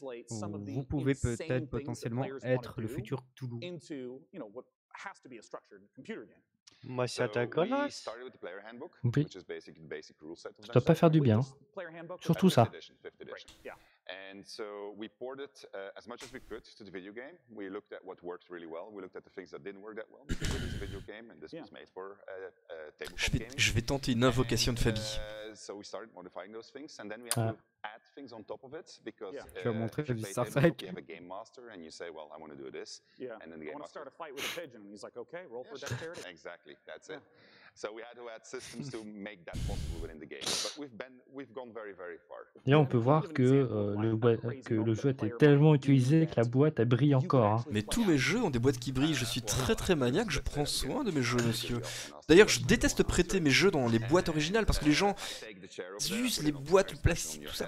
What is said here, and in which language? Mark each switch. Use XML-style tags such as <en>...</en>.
<fr>Vous pouvez peut-être potentiellement être le futur Cthulhu.</fr> <en>Has to be a structured computer game. So we started with the player handbook, which is basically the basic rule set.</en> <fr>Je dois pas faire du bien. Surtout ça.</fr> <en>And so we ported as much as we could to the video game. We looked at what worked really well. We looked at the things that didn't work that well. This video game and this was made for tabletop gaming.</en> <fr>Je vais tenter une invocation de Fabi.</fr> <en>So we started modifying those things and then we had to add things on top of it because</en> <fr>tu as montré Fabi Starfight.</fr> <en>You have a game master and you say, well, I want to do this. Yeah. And then the game master. I want to start a fight with a pigeon. And he's like, okay, roll for dexterity. Exactly. That's it. So we had to add systems to make that possible within the game, but we've gone very, very far.</en> <fr>Et on peut voir que le jeu était tellement utilisé que la boîte elle brille encore. Hein. Mais tous mes jeux ont des boîtes qui brillent. Je suis très très maniaque. Je prends soin de mes jeux, monsieur. D'ailleurs, je déteste prêter mes jeux dans les boîtes originales parce que les gens usent les boîtes, le plastique, tout ça.</fr>